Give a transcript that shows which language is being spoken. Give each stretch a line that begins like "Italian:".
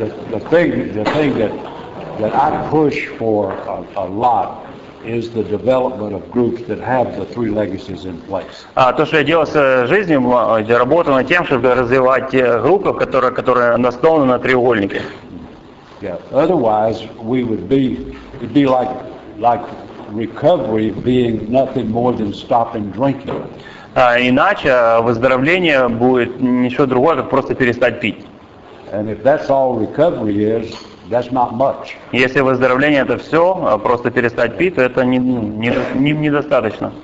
English: The thing that I push for a lot is the development of groups that have the three legacies in place.
Russian: То, что я делаю с жизнью, я работаю над тем, чтобы развивать группы, которые основаны на треугольнике.
English: Yeah. Otherwise, we would be like recovery being nothing more than stopping drinking.
Russian: Иначе выздоровление будет ничего другое, как просто перестать пить.
English: And if that's all recovery is, that's not much.
Russian: Если выздоровление это все, просто перестать пить, то это недостаточно.